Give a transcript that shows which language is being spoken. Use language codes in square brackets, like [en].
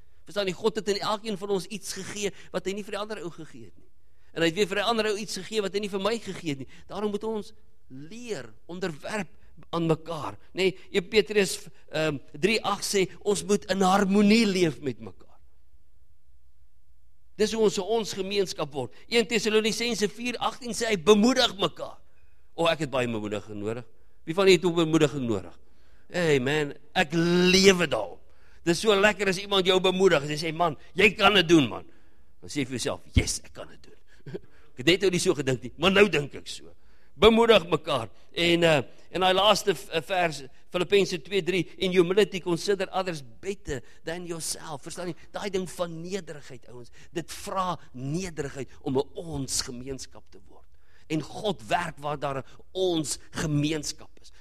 [af] Verstaan jy, God het in elkeen van ons iets gegee, wat hy nie vir die ander ou gegee het nie. En hy het weer vir die ander ou iets gegee, wat hy nie vir my gegee het nie. Daarom moet ons leer, onderwerp aan mekaar. Nee, Petrus 3:8 sê, ons moet in harmonie leef met mekaar. Dis hoe ons gemeenskap word. 1 Thessalonisense 4:18 sê hy bemoedig mekaar. O, ek het baie bemoediging nodig. Wie van jy het ook bemoediging nodig? Hey man, ek lewe daarop. Dis so lekker as iemand jou bemoedig. Hy sê, man, jy kan het doen, man. Dan sê vir jouself, yes, ek kan het doen. Ek het net ook nie so gedink nie, maar nou dink ek so. Bemoedig mekaar. En die laaste vers, [en] Filippense 2:3, in humility consider others better than yourself. [af] Verstaan jy? Die ding van nederigheid, ouwens. Dit vra nederigheid om 'n ons gemeenskap te word. En God werk waar daar ons gemeenskap is.